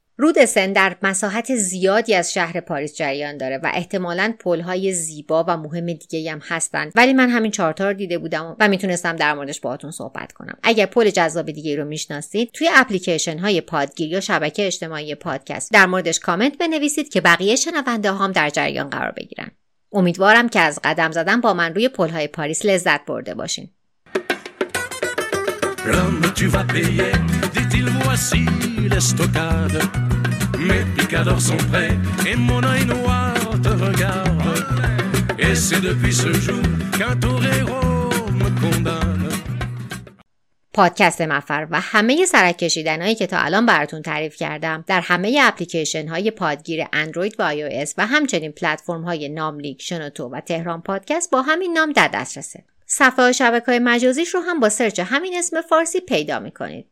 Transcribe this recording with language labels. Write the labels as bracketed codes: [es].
[fa] رود سن در مساحت زیادی از شهر پاریس جریان داره و احتمالاً پل‌های زیبا و مهم دیگه هم هستن، ولی من همین 4 تا رو دیده بودم و میتونستم در موردش باهاتون صحبت کنم. اگر پل جذاب دیگه‌ای رو میشناسید توی اپلیکیشن‌های پادگیر یا شبکه اجتماعی پادکست در موردش کامنت بنویسید که بقیه شنونده‌ها هم در جریان قرار بگیرن. امیدوارم که از قدم زدن با من روی پل‌های پاریس لذت برده باشین. [fr] Rando tu vas payer, dit-il voici l'estocade. Mes picadors sont prêts et mon œil noir te regarde. Et c'est depuis ce jour qu'un torero me condamne. [fa] پادکست مفر و همه سرکشیدنهایی که تا الان براتون تعریف کردم در همه اپلیکیشن های پادگیر اندروید و iOS و همچنین پلتفرم های ناملیک، شنوتو و تهران پادکست با همین نام در دست رسه. صفحه و شبکه های مجازیش رو هم با سرچ همین اسم فارسی پیدا میکنید.